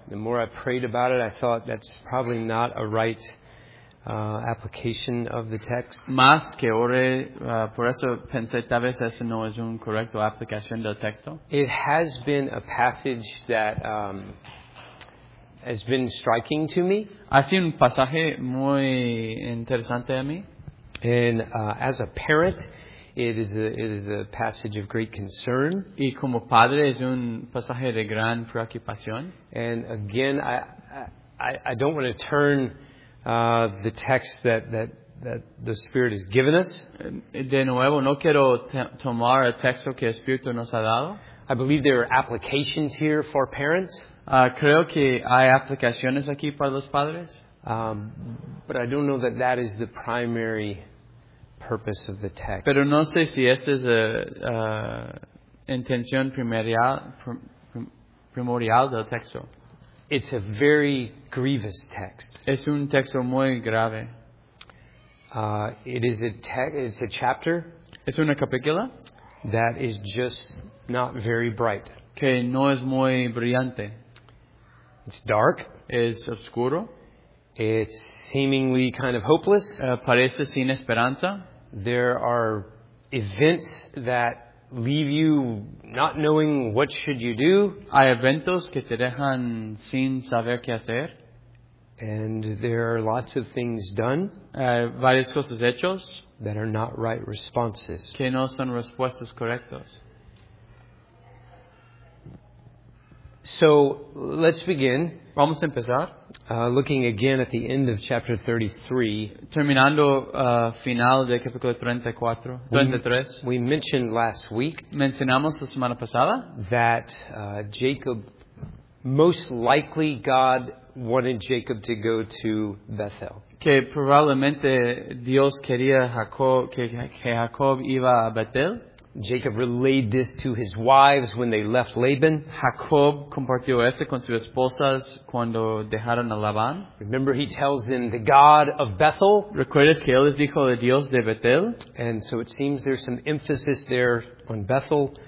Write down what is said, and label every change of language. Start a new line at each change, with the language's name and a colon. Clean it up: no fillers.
English: The more I prayed about it, I thought that's probably not a right application of the text.
Spanish: Más que ore, por eso pensé tal vez eso no es un correcto aplicación del texto.
English: It has been a passage that has been striking to me.
Spanish: Ha sido un pasaje muy interesante a mí.
English: And as a parent, it is a passage of great concern.
Spanish: Y como padre es un pasaje de gran preocupación.
English: And again, I don't want to turn the text that the Spirit has given us.
Spanish: De nuevo, no quiero tomar el texto que el Espíritu nos ha dado.
English: I believe there are applications here for parents.
Spanish: Creo que hay aplicaciones aquí para los padres.
English: But I don't know that is the primary purpose of the text.
Spanish: Pero no sé si esta es la intención primordial del texto.
English: It's a very grievous text.
Spanish: Es un texto muy grave.
English: It is a text. It's a chapter.
Spanish: Es una capítulo.
English: That is just not very bright.
Spanish: Que no es muy brillante.
English: It's dark.
Spanish: Es oscuro.
English: It's seemingly kind of hopeless.
Spanish: Parece sin esperanza.
English: There are events that leave you not knowing what should you do.
Spanish: Hay eventos que te dejan sin saber qué hacer.
English: And there are lots of things done.
Spanish: Varias cosas hechos.
English: That are not right responses.
Spanish: Que no son respuestas correctas.
English: So, let's begin.
Spanish: Vamos a empezar.
English: Looking again at the end of chapter 33.
Spanish: Terminando final de capítulo 33.
English: We mentioned last week.
Spanish: Mencionamos la semana pasada.
English: That Jacob, most likely God wanted Jacob to go to Bethel.
Spanish: Que probablemente Dios quería que Jacob iba a Bethel.
English: Jacob relayed this to his wives when they left Laban.
Spanish: Jacob compartió esto con sus esposas cuando dejaron a Labán.
English: Remember, he tells them the God of Bethel.
Spanish: ¿Recuerdas que él les dijo el Dios de Betel?
English: And so it seems there's some emphasis there on Bethel.